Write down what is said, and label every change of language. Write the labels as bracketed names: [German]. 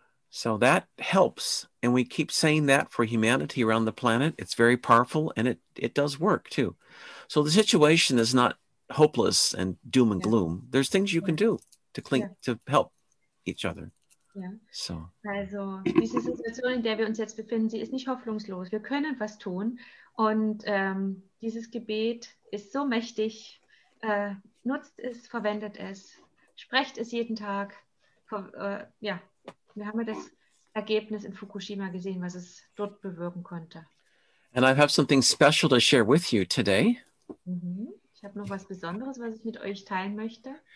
[English] So that helps. And we keep saying that for humanity around the planet. It's very powerful and it does work too. So the situation is not hopeless and doom and gloom. There's things you can do to to help each other. Yeah. So. [German] Also diese Situation, in der wir uns jetzt befinden, sie ist nicht hoffnungslos. Wir können was tun. Und dieses Gebet ist so mächtig. Nutzt es, verwendet es, sprecht es jeden Tag. Wir haben ja das Ergebnis in Fukushima gesehen, was es dort bewirken konnte. [English] And I have something special to share with you today. [German] Ich habe noch was Besonderes, was ich mit euch teilen möchte.